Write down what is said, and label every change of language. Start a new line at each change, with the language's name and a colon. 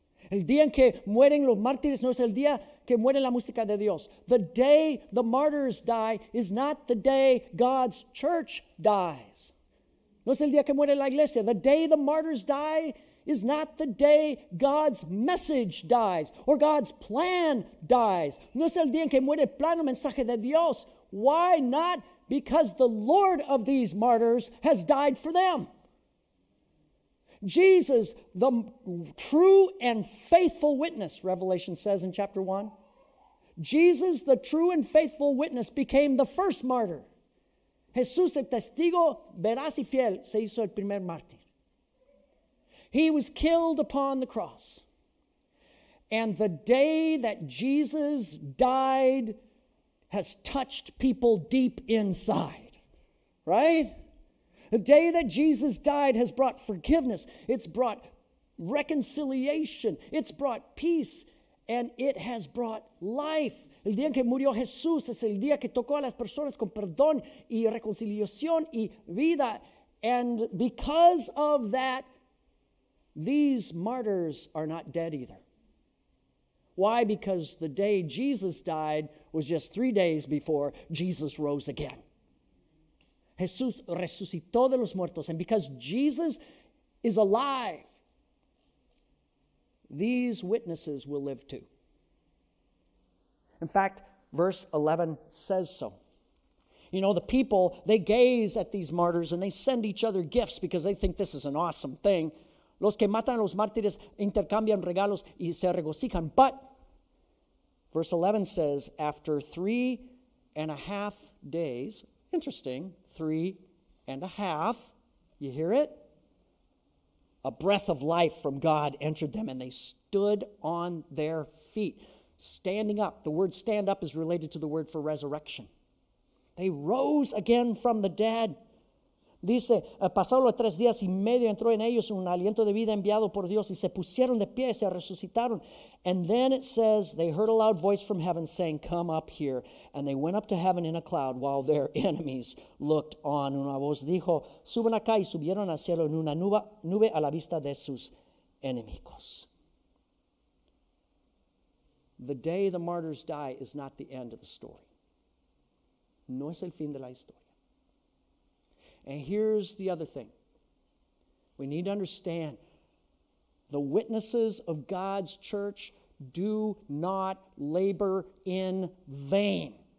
Spanish: El día en que mueren los mártires no es el día que muere la música de Dios.
English: The day the martyrs die is not the day God's church dies.
Spanish: No es el día que muere la iglesia.
English: The day the martyrs die is not the day God's message dies or God's plan dies.
Spanish: No es el día en que muere el plan o mensaje de Dios.
English: Why not? Because the Lord of these martyrs has died for them. Jesus, the true and faithful witness, Revelation says in chapter 1. Jesus, the true and faithful witness, became the first martyr.
Spanish: Jesús, el testigo veraz y fiel, se hizo el primer mártir.
English: He was killed upon the cross. And the day that Jesus died has touched people deep inside. Right? The day that Jesus died has brought forgiveness. It's brought reconciliation. It's brought peace. And it has brought life.
Spanish: El día en que murió Jesús es el día que tocó a las personas con perdón y reconciliación y vida.
English: And because of that, these martyrs are not dead either. Why? Because the day Jesus died was just 3 days before Jesus rose again.
Spanish: Jesús resucitó de los muertos.
English: And because Jesus is alive, these witnesses will live too. In fact, verse 11 says so. You know, the people, they gaze at these martyrs and they send each other gifts because they think this is an awesome thing.
Spanish: Los que matan a los mártires intercambian regalos y se regocijan.
English: But verse 11 says, after 3.5 days, interesting, 3.5, you hear it? A breath of life from God entered them and they stood on their feet, standing up. The word stand up is related to the word for resurrection. They rose again from the dead.
Spanish: Dice, pasaron los 3.5 days, entró en ellos un aliento de vida enviado por Dios, y se pusieron de pie, se resucitaron.
English: And then it says, they heard a loud voice from heaven saying, come up here. And they went up to heaven in a cloud while their enemies looked on.
Spanish: Una voz dijo, suban acá, y subieron al cielo en una nube a la vista de sus enemigos.
English: The day the martyrs die is not the end of the story.
Spanish: No es el fin de la historia.
English: And here's the other thing. We need to understand the witnesses of God's church do not labor in vain.